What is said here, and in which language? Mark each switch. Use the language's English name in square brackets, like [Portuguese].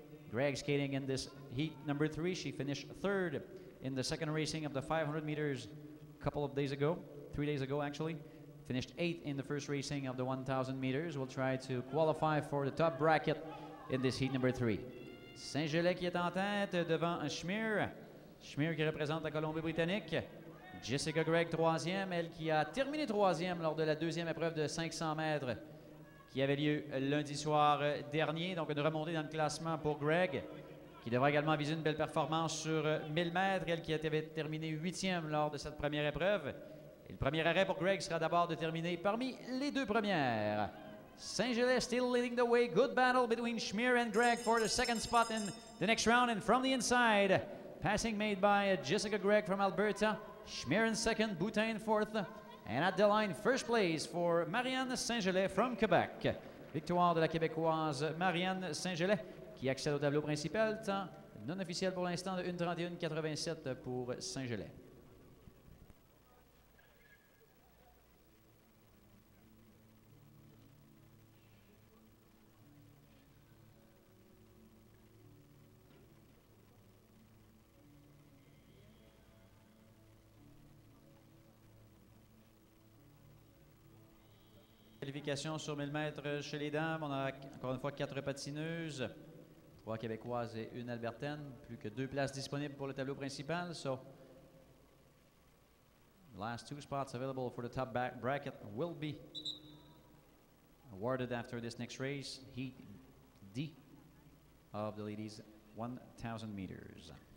[English] Greg skating in this heat number three. She finished third in the second racing of the 500 meters three days ago. Finished eighth in the first racing of the 1000 meters. We'll try to qualify for the top bracket in this heat number three. [French] Saint-Gelais qui est en tête devant Schmier. Schmier qui représente la Colombie-Britannique. Jessica Greg troisième, elle qui a terminé troisième lors de la deuxième épreuve de 500 mètres qui avait lieu lundi soir dernier. Donc une remontée dans le classement pour Greg, qui devra également viser une belle performance sur 1000 mètres. Elle qui avait terminé huitième lors de cette première épreuve. Et le premier arrêt pour Greg sera d'abord de terminer parmi les deux premières. [English] Saint-Gelais still leading the way. Good battle between Schmier and Greg for the second spot in the next round. And from the inside, passing made by Jessica Greg from Alberta. Schmier in second, Boutin in fourth. And at the line, first place for Marianne Saint-Gelais from Quebec. [French] Victoire de la Québécoise Marianne Saint-Gelais qui accède au tableau principal. Temps non officiel pour l'instant de 1:31.87 pour Saint-Gelais. Qualification sur 1000 mètres chez les dames. On a encore une fois quatre patineuses, trois québécoises et une albertaine. Plus que deux places disponibles pour le tableau principal. [English] So, last two spots available for the top bracket will be awarded after this next race, heat D of the ladies 1000 meters.